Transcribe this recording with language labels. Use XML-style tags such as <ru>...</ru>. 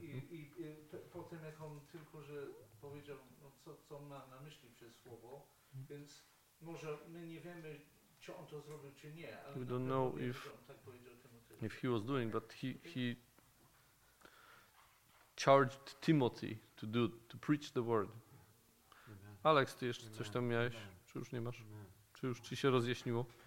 <pl>I potem jak on tylko, że powiedział, no co ma na myśli przez słowo, więc może my nie wiemy, czy on to zrobił, czy nie.</pl> <en>We don't know if he was doing, but he charged Timothy to preach the word. Amen.</en> <pl>Alex, ty jeszcze coś tam miałeś? Amen. Czy już nie masz? Amen. Czy już ci się rozjaśniło?</pl>